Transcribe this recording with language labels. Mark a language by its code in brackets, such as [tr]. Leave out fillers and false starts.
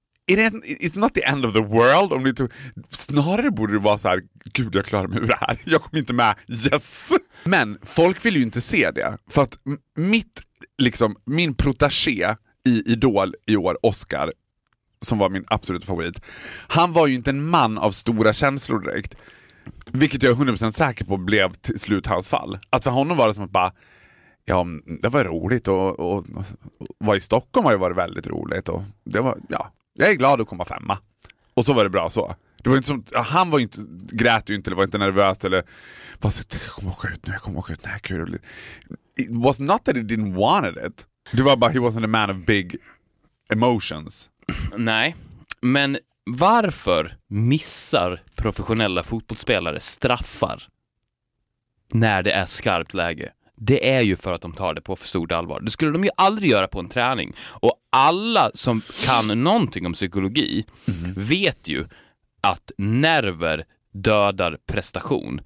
[en] It's not the end of the world. [sv] Om det snarare borde det vara så här, gud, jag klarar mig ur det här. Jag kommer inte med. Yes. Men folk vill ju inte se det för att mitt liksom min protagé i Idol i år, Oscar, som var min absoluta favorit. Han var ju inte en man av stora känslor direkt. Vilket jag är 100% säker på blev till slut hans fall. Att för honom var det som att bara ja, det var roligt och var i Stockholm har ju varit väldigt roligt och det var ja. Jag är glad att komma femma. Och så var det bra så. Det var inte som, han var inte, grät ju inte eller var inte nervös. Eller, fast, jag kommer åka ut. Nej, kul. [en] It was not that he didn't want it. [sv] Det var bara, [en] he wasn't a man of big emotions. [sv] Nej, men varför missar professionella fotbollsspelare straffar när det är skarpt läge? Det är ju för att de tar det på för stort allvar. Det skulle de ju aldrig göra på en träning. Och alla som kan någonting om psykologi vet ju att nerver dödar prestation.